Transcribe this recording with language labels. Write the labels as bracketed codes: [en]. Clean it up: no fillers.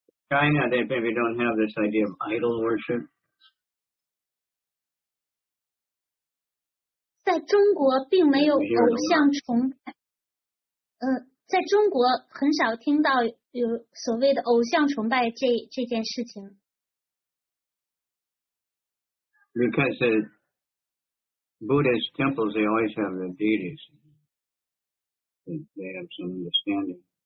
[en] China, they maybe don't have this idea of idol worship. [zh] 在中国并没有偶像崇拜，在中国很少听到有所谓的偶像崇拜这件事情。 [en] Because the Buddhist temples, they always have the deities. They have some understanding.